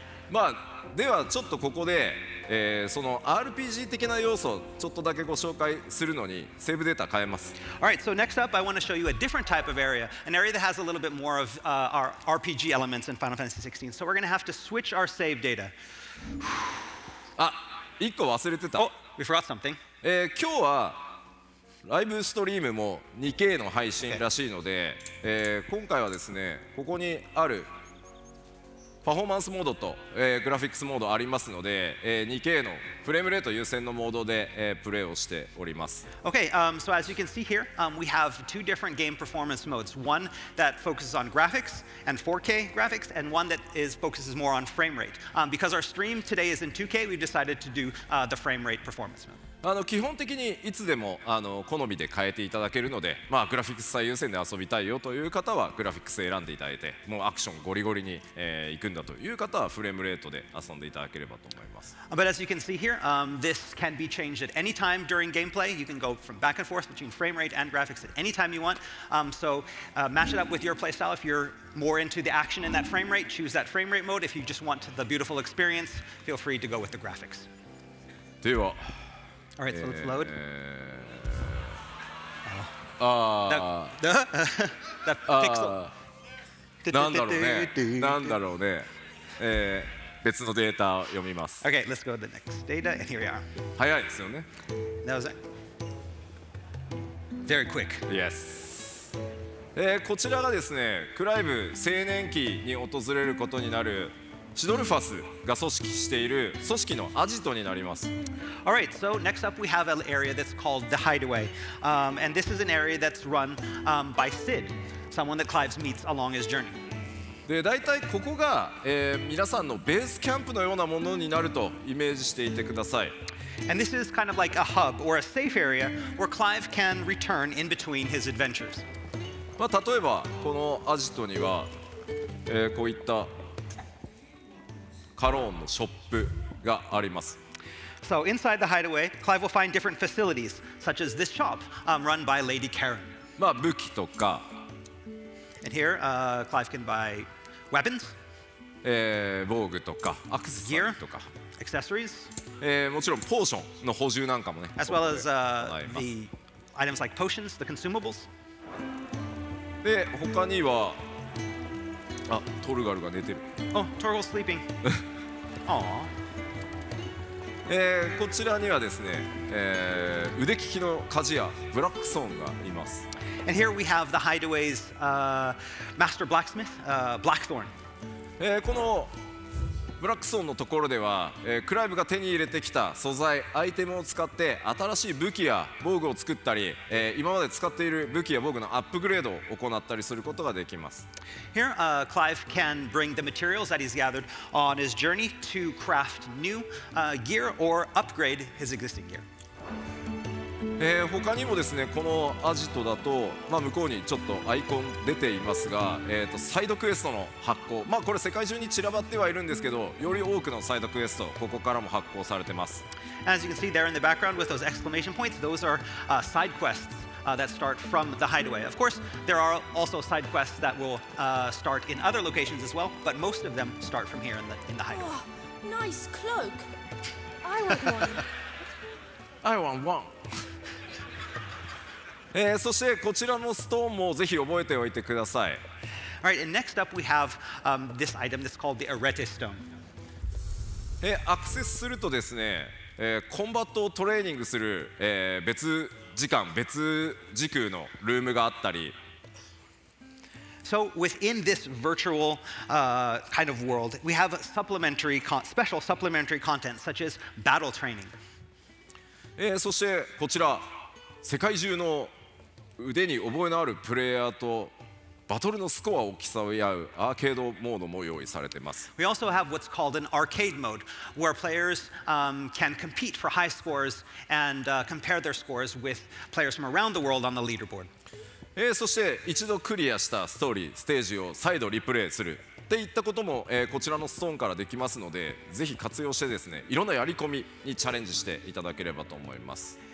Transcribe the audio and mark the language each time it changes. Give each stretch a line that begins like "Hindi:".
Japanese: まあ、ではちょっとここで、その RPG 的な要素をちょっとだけご紹介するのにセーブデータ変えます。
English: All right, so next up, I want to show you a different type of area, an area that has a little bit more of our RPG elements in Final Fantasy 16. So we're going to have to switch our save data.
Japanese: あ、一個忘れてた。
English: Oh, we forgot something.
Japanese: 今日はライブストリームも 2K の配信らしいので、今回はですね、ここにあるパフォーマンスモードと、グラフィックスモードありますので、2K のフレームレート優先のモードで、プレイをしております。
English: Okay, so as you can see here, we have two different game performance modes. One that focuses on graphics and 4K graphics, and one that focuses more on frame rate. Because our stream today is in 2K, we've decided to do the frame rate performance mode.
Japanese: あの基本的にいつでもあの好みで変えていただけるので、まあ、グラフィックス最優先で遊びたいよという方はグラフィックス選んでいただいて、もうアクションゴリゴリに、行くんだという方はフレームレートで遊んでいただければと思います。
English: But as you can see here, this can be changed at any time during gameplay. You can go from back and forth between frame rate and graphics at any time you want. So match it up with your playstyle. If you're more into the action in that frame rate, choose that frame rate mode. If you just want the beautiful experience, feel free to go with the graphics.
Japanese: では。
English: All right, so let's load. That pixel.
Japanese: なんだろうね。なんだろうね。別のデータを読みます。
English: Okay, let's go to the next data, and here we are.
Japanese: 早いですよね。
English: That was very quick. Yes.
Japanese: こちらがですね、クライブ青年期に訪れることになるシドルファスが組織している組織のアジトになります。
English: All right, so next up we have an area that's called the Hideaway. And this is an area that's run by Sid, someone that Clive meets along his journey.
Japanese: で、大体ここが、皆さんのベースキャンプのようなものになるとイメージしていてください。
English: And this is kind of like a hub or a safe area where Clive can return in between his adventures.
Japanese: まあ、例えばこのアジトには、こういったカローンのショップがあります。
English: So inside the hideaway, Clive will find different facilities, such as this shop, run by Lady Karen.
Japanese: まあ武器とか。
English: And here, Clive can buy weapons.
Japanese: 防具とかアクセサリーとか。
English: Gear, accessories.
Japanese: もちろんポーションの補充なんかもね。
English: As well as the items like potions, the consumables.
Japanese: で他には。あ、トルガルが寝てる。
English: Oh, Torgal's sleeping. Aww.
Japanese: こちらにはですね、腕利きの鍛冶屋、ブラックソーンがいます。
English: And here we have the hideaway's master blacksmith, Blackthorn.
Japanese: このブラックソーンのところでは、クライブが手に入れてきた素材、アイテムを使って新しい武器や防具を作ったり、今まで使っている武器や防具のアップグレードを行ったりすることができます。
English: Here, Clive can bring the materials that he's gathered on his journey to craft new gear or upgrade his existing gear.
Japanese: 他にもですね、このアジトだと、まあ、向こうにちょっとアイコン出ていますが、サイドクエストの発行、まあ、これ世界中に散らばってはいるんですけど、より多くのサイドクエスト、ここからも発行されてます。
English: As you can see there in the background with those exclamation points, those are side quests that start from the hideaway. Of course, there are also side quests that will start in other locations as well, but most of them start from here in the hideaway. Oh, nice cloak! I want one! I want one.
Japanese: そしてこちらのストーンもぜひ覚えておいてください。
English: All right, and next up we have this item that's called the Arete Stone.
Japanese: アクセスするとですね、コンバットをトレーニングする、別時間、別時空のルームがあったり。
English: So within this virtual kind of world, we have special supplementary content such as battle training.
Japanese: そしてこちら世界中の腕に覚えのあるプレイヤーとバトルのスコアを競い合うアーケードモードも用意されています。
English: We also have what's called an arcade mode, where players can compete for high scores and compare their scores with players from around the world on the leaderboard.
Japanese: そして一度クリアしたストーリー、ステージを再度リプレイする。っていったことも、こちらのストーンからできますのでぜひ活用してですねいろんなやり込みにチャレンジしていただければと思います。